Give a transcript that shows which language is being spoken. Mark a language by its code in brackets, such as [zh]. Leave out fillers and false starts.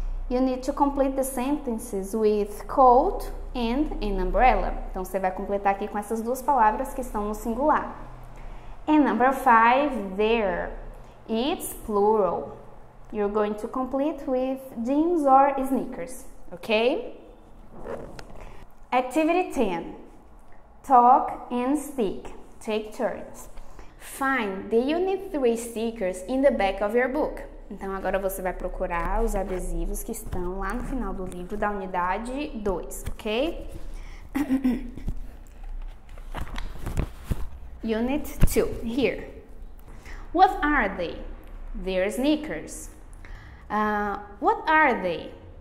[en] You need to complete the sentences with coat and an umbrella. [pt] Então, você vai completar aqui com essas duas palavras que estão no singular. [en] And number five, there. It's plural. You're going to complete with jeans or sneakers, okay? Activity 10. Talk and speak. Take turns. Find the unit 3 stickers in the back of your book. [pt] Então, agora você vai procurar os adesivos que estão lá no final do livro da unidade 2, ok? [en] Unit 2. Here. What are they? They're sneakers. What are they?